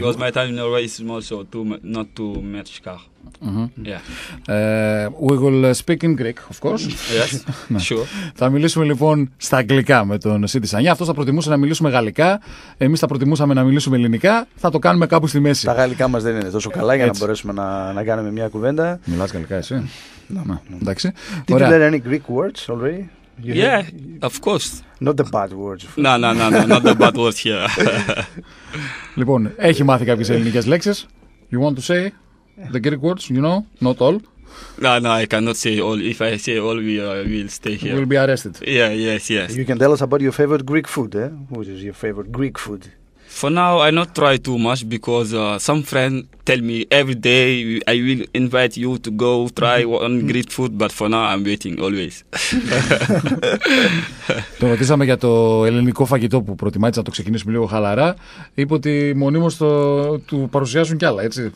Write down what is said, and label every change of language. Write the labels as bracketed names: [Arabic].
[English] «Because my time in Norway is also not too much car.» Mm-hmm. Yeah. We will speak in Greek, of course. Yes, sure. [Greek] Θα μιλήσουμε λοιπόν στα αγγλικά με τον Σίντι Σανιά. Αυτός θα προτιμούσε να μιλήσουμε γαλλικά. Εμείς θα προτιμούσαμε να μιλήσουμε ελληνικά. Θα το κάνουμε κάπου στη μέση. Τα γαλλικά μας δεν είναι τόσο καλά για να μπορέσουμε να κάνουμε μια κουβέντα. Μιλάς γαλλικά εσύ? Ναι. Εντάξει. [English] Did you learn any Greek words already? You yeah, heard? Of course. Not the bad words. No, not the bad words here. [Greek] Λοιπόν, έχει μάθει κάποιες ελληνικές λέξεις. [English] You want to say? The Greek words, you know, not all. No, I cannot say all. If I say all, we will stay here. We'll be arrested. Yeah, yes, yes. You can tell us about your favorite Greek food, eh? What is your favorite Greek food? For now, I not try too much because some friend tell me every day I will invite you to go try one Greek food, but for now I'm waiting always. [Greek] Το ρωτήσαμε για το ελληνικό φαγητό που προτιμάτε να το ξεκινήσουμε λίγο χαλαρά. Είπε ότι μονίμως του παρουσιάζουν κι άλλα, έτσι.